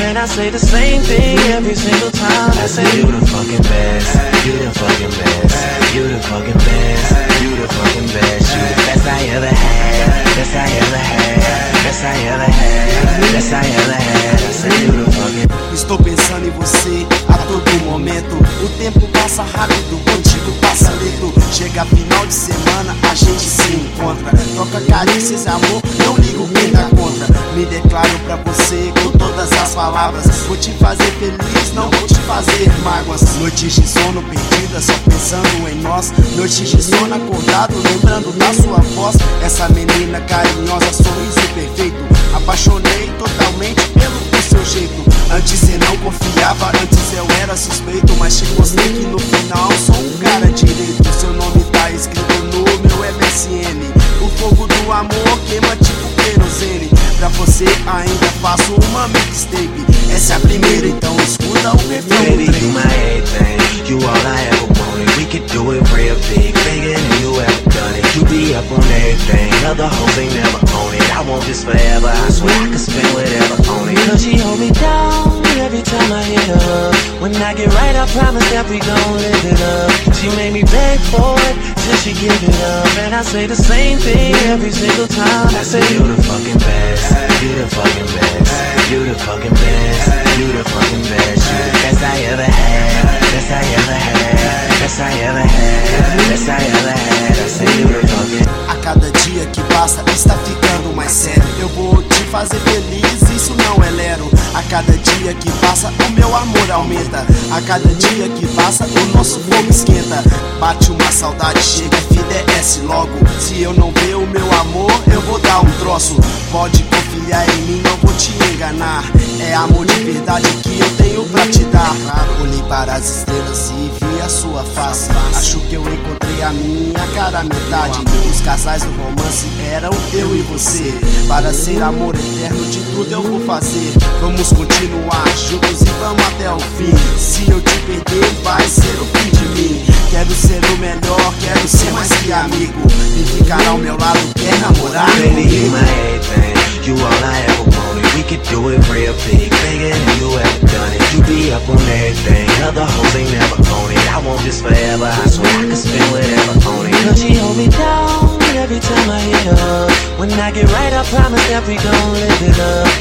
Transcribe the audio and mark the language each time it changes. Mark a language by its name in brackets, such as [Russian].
[English] And I say the same thing every single time. I say, you the fucking best. You the fucking best. You the fucking best. You the fucking best. You the best I ever had. Best I ever had. Best I ever had. Best I ever had. I say, you the fucking best. [Portuguese] Estou pensando em você a todo momento. O tempo passa rápido, contigo passa lento. Chega final de semana, a gente se encontra. Troca carícias, amor, não ligo quem dá conta. Me declaro pra você com todas as palavras. Vou te fazer feliz, não vou te fazer mágoas. Noites de sono perdidas, só pensando em nós. Noites de sono acordado, lembrando da sua voz. Essa menina carinhosa, sorriso perfeito. Apaixonei totalmente pelo seu jeito. Antes eu não confiava, antes eu era suspeito. Mas te mostrei que no final sou um cara direito. Seu nome tá escrito no meu MSN. O fogo do amor queima tipo querosene. Pra você ainda faço uma mixtape. Essa é a primeira, então escuta o refrão. [English] Baby, trem. You my everything. You all I ever wanted. We could do it real big. Bigger than you ever done it. You be up on everything. Other hoes ain't never on it. I want this forever. I swear I could spend whatever on it. Cause she hold me down every time I hit up. When I get right, I promise that we gon' live it up. She made me beg for it till she give it up. And I say the same thing every single time. I say, you the fucking best. You the fucking best. You the fucking best. You the fucking best. You the best I ever had. Best I ever had. Best I ever had. Best I ever had. I say, you the fucking. [Portuguese] A cada dia que passa, está ficando mais sério. Eu vou te fazer feliz, isso não é lero. A cada dia que passa, o meu amor aumenta. A cada dia que passa, o nosso fogo esquenta. Bate uma saudade, chega, vida é essa logo. Se eu não ver o meu amor, eu vou dar um troço. Pode confiar em mim, não vou te enganar. É amor de verdade que eu tenho pra te dar. Olhei para as estrelas e vi a sua face. Acho que eu encontrei a minha cara metade. Os casais do romance eram eu e você. Para ser amor eterno, de tudo eu vou fazer. Vamos continuar juntos e vamos até o fim. Se eu te perder, vai ser o fim de mim. Quero ser o melhor, quero ser mais que amigo. E ficar ao meu lado, quer namorar? [English] Baby, you my everything, you all I ever wanted. We could do it real big, bigger than you ever done it. You be up on everything, other hoes ain't never on it. I want this forever, I swear I could spend whatever on it. Cause she hold me down every time I hit up. When I get right, I promise that we gon' live it up.